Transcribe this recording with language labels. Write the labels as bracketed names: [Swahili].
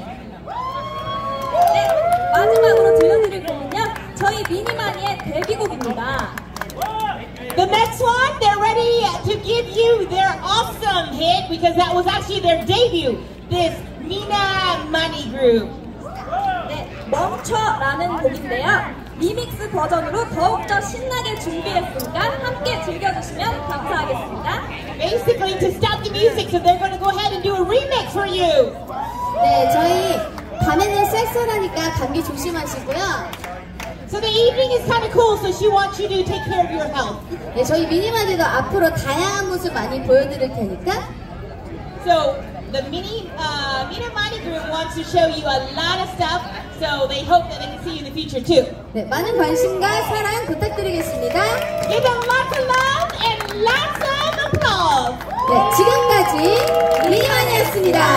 [Korean] 네, 마지막으로 들려드릴 곡은요, 저희 미니마니의 데뷔곡입니다. [English] The next one, they're ready to give you their awesome hit because that was actually their debut. This Mina Money Group. [Korean] 네, 멈춰라는 곡인데요. 리믹스 버전으로 더욱더 신나게 준비했으니까 함께 즐겨주시면 감사하겠습니다. [English] Basically to stop the music, so they're going to go ahead and do a remix for you. [Korean] 네, 저희 밤에는 쌀쌀하니까 감기 조심하시고요. [English] So the evening is kind of cool, so she wants you to take care of your health. [Korean] 네, 저희 미니마니도 앞으로 다양한 모습 많이 보여드릴 테니까. [English] So the mini, Minamani group wants to show you a lot of stuff. So they hope that they can see you in the future too. [Korean] 네, 많은 관심과 사랑 부탁드리겠습니다. [English] Give them lots of love and lots of applause. [Korean] 네, 지금까지 미니마니였습니다.